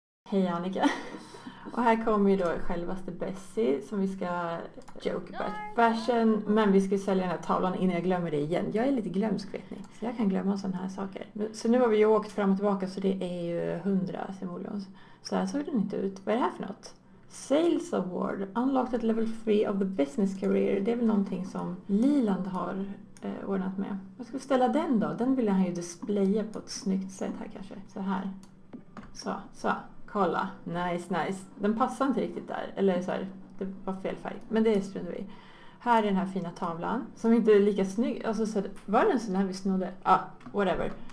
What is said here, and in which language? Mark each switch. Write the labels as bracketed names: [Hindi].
[Swedish] Hej Annika. Och här kommer ju då självaste Bessie som vi ska joke about fashion. Men vi ska sälja den här tavlan innan jag glömmer det igen. Jag är lite glömsk, vet ni. Så jag kan glömma sådana här saker. Så nu har vi ju åkt fram och tillbaka, så det är ju 100 simoleons. Så här såg den inte ut. Vad är det här för något? Sales award. [English] Unlocked at level 3 of the business career. [Swedish] Det är väl någonting som Liland har ordnat med. Vad ska vi ställa den då? Den vill han ju displaya på ett snyggt sätt här kanske. Så här. Så. Kolla. Nice, nice. Den passar inte riktigt där. Eller så här. Det var fel färg. Men det struntar vi. Här är den här fina tavlan. Som inte är lika snygg. Alltså, så här, var den sån här vi snodde? Ah, whatever.